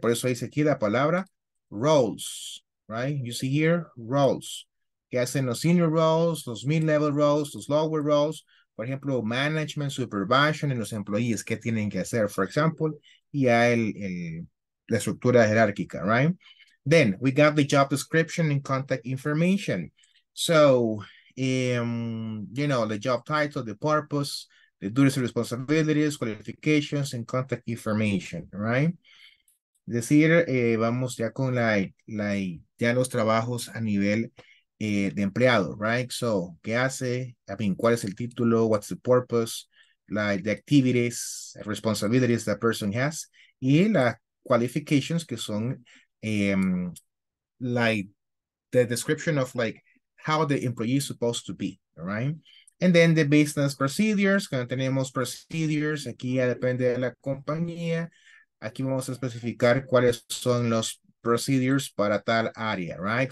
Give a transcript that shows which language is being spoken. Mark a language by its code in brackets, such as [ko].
[es] Por eso dice aquí la palabra roles, [en] right? You see here roles. [es] Que hacen los senior roles, los mid-level roles, los lower roles, por ejemplo, management, supervision, y los employees, ¿qué tienen que hacer? [en] For example, [es] y ya la estructura jerárquica, [en] right? Then, we got the job description and contact information. So, the job title, the purpose, the duties and responsibilities, qualifications, and contact information, right? [es] Decir, vamos ya con ya los trabajos a nivel de empleado, [en] right? So, [es] ¿qué hace? [en] I mean, [es] ¿cuál es el título? [en] What's the purpose? Like, the activities, responsibilities that person has. [es] Y las [en] qualifications [es] que son, [en] the description of, like, how the employee is supposed to be, right? And then the business procedures. [es] Cuando tenemos procedures, aquí ya depende de la compañía. Aquí vamos a especificar cuáles son los procedures para tal área, [en] right?